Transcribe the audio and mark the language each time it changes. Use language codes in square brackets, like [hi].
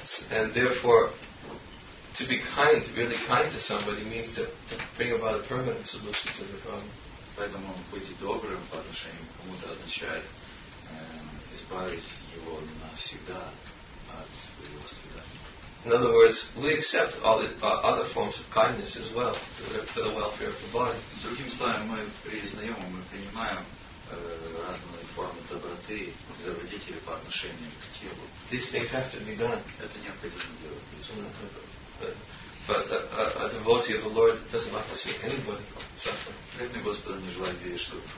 [en] And therefore, to be kind, really kind to somebody, means to bring about a permanent solution to the problem. [ru] Поэтому быть добрым по отношению к кому-то означает избавить его навсегда от его страданий. [en] In other words, we accept all the other forms of kindness as well for the welfare of the body. [ru] Другими словами, мы признаем, мы принимаем разные формы доброты, добродетели по отношению к телу. [en] These things have to be done. [ru] Это необходимо делать. [en] But a devotee of the Lord doesn't like to see anybody suffering.